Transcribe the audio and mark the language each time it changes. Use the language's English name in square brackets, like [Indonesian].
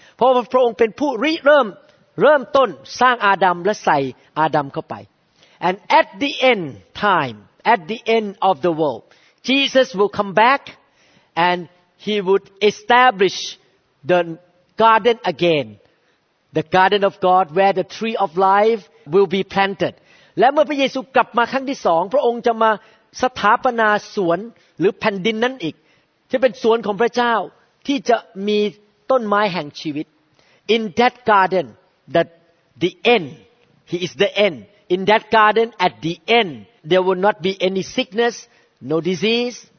[Thai] เพราะพระองค์เป็นผู้เริ่มต้นสร้างอาดัมและใส่อาดัมเข้าไป [English] And at the end time, at the end of the world, Jesus will come back and he would establish the garden again. The garden of God where the tree of life will be planted. [Thai] และเมื่อพระเยซูกลับมาครั้งที่สองพระองค์จะมาสถาปนาสวนหรือแผ่นดินนั้นอีกที่เป็นสวนของพระเจ้าที่จะมีต้นไม้แห่งชีวิต [English] In that garden that the end he is the end In that garden at the end there will not be any sickness no disease